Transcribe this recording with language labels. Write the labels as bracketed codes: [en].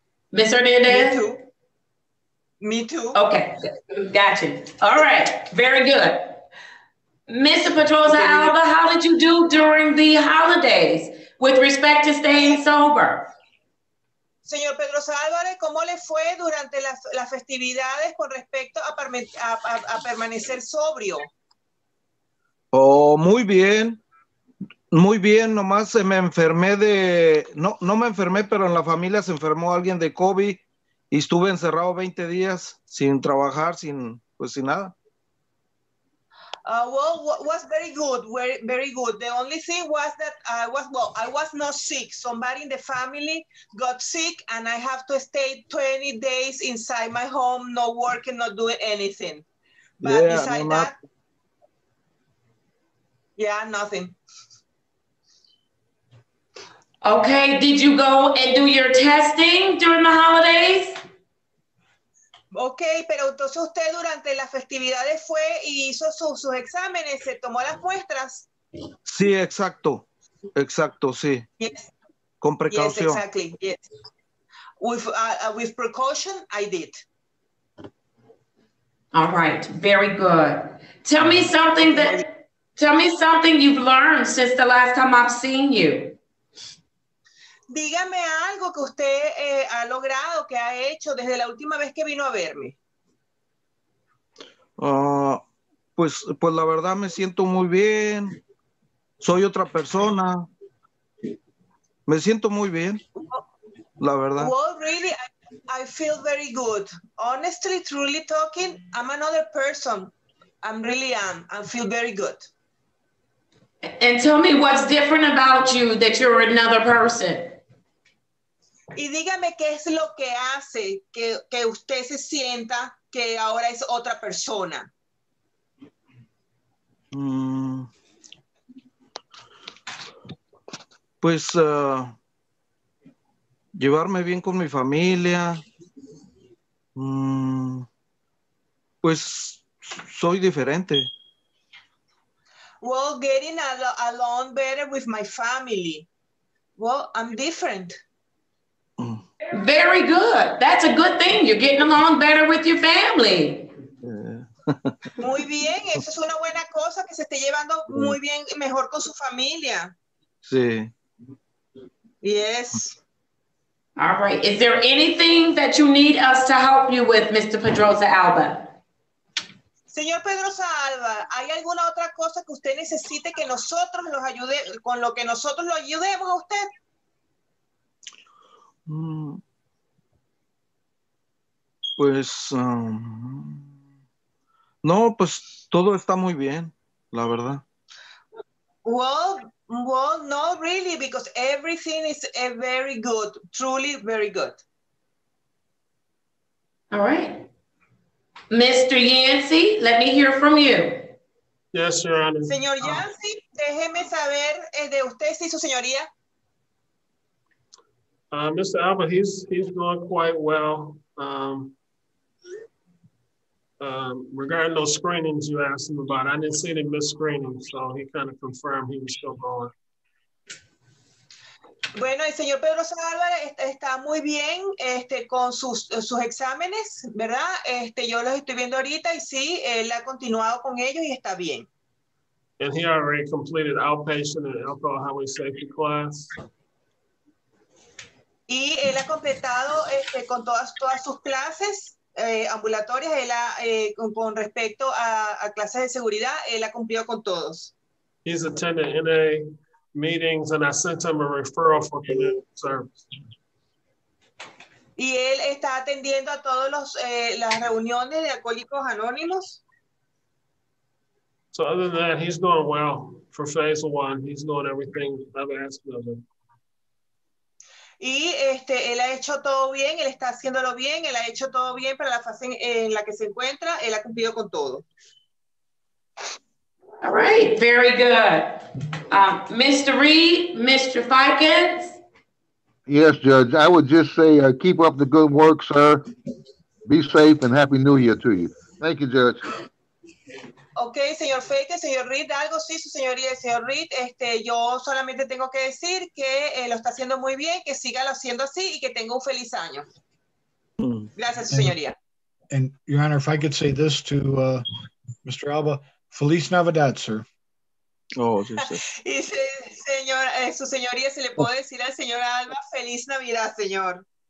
[en] Ms. Hernandez? Me too. Me too. Okay, gotcha. All right, very good. Mr. Pedroza Alba, how did you do during the holidays with respect to staying sober? [es] Señor Pedroza Álvarez, ¿cómo le fue durante las festividades con respecto a permanecer sobrio? Oh, muy bien. Muy bien, nomás se me enfermé de... No me enfermé, pero en la familia se enfermó alguien de COVID y estuve encerrado 20 días sin trabajar, sin nada. [en] Well, was very good, very good. The only thing was that I was not sick. Somebody in the family got sick and I have to stay 20 days inside my home, no working, not doing anything. But yeah, nothing. Okay, did you go and do your testing during the holidays? [es] Okay, pero entonces usted durante las festividades fue y hizo sus exámenes, se tomó las muestras. Sí, exacto. Exacto, sí. [en] Yes. [es] Con precaución. [en] Yes, exactly. Yes. With precaution, I did. All right, very good. Tell me something you've learned since the last time I've seen you. [es] Dígame algo que usted ha logrado, que ha hecho desde la última vez que vino a verme. pues la verdad me siento muy bien. Soy otra persona. Me siento muy bien, la verdad. [en] Well, really, I feel very good. Honestly, truly talking, I'm another person. I feel very good. And tell me what's different about you that you're another person. [es] Y dígame qué es lo que hace que usted se sienta que ahora es otra persona. Pues llevarme bien con mi familia. Pues soy diferente. [en] Well, getting along better with my family. Well, I'm different. Very good. That's a good thing. You're getting along better with your family. [es] Muy bien. Eso es una buena cosa, que se esté llevando muy bien, mejor con su familia. Sí. [en] Yes. All right. Is there anything that you need us to help you with, Mr. Pedroza Alba? [es] Señor Pedroza Alba, ¿hay alguna otra cosa que usted necesite que nosotros los ayude, con lo que nosotros lo ayudemos a usted? Pues, no, pues todo está muy bien, la verdad. [en] Well, no, really, because everything is very good, truly very good. All right. Mr. Yancy, let me hear from you. Yes, Your Honor. [es] Señor Yancy, déjeme saber de usted, sí, su señoría. [en] Mr. Alba, he's doing quite well. Regarding those screenings you asked him about, I didn't see any missed screenings, so he kind of confirmed he was still going. [es] Bueno, el señor Pedro Salva está muy bien con sus exámenes, ¿verdad? Yo los estoy viendo ahorita y sí, él ha continuado con ellos y está bien. [en] And he already completed outpatient and alcohol highway safety class. [es] Y él ha completado con todas sus clases ambulatorias, él ha, con respecto a clases de seguridad, él ha cumplido con todos. [en] He's attended NA meetings and I sent him a referral for community service. [es] Y él está atendiendo a todos los las reuniones de Alcohólicos Anónimos. [en] So other than that, he's doing well for phase one. He's doing everything I've asked of him. [es] Y él ha hecho todo bien, él está haciéndolo bien, él ha hecho todo bien para la fase en la que se encuentra, él ha cumplido con todo. [en] All right, very good. Mr. Reed, Mr. Fikens. Yes, Judge, I would just say keep up the good work, sir. Be safe and Happy New Year to you. Thank you, Judge. [es] Okay, señor Fake, señor Reed, algo sí, su señoría, señor Reed, yo solamente tengo que decir que lo está haciendo muy bien, que siga lo haciendo así y que tenga un feliz año. Gracias, su señoría. [en] And Your Honor, if I could say this to Mr. [es] Alba, Feliz Navidad, sir. Oh, sí, sí. Y señor, su señoría, se le puede decir al señor Alba, Feliz Navidad, señor.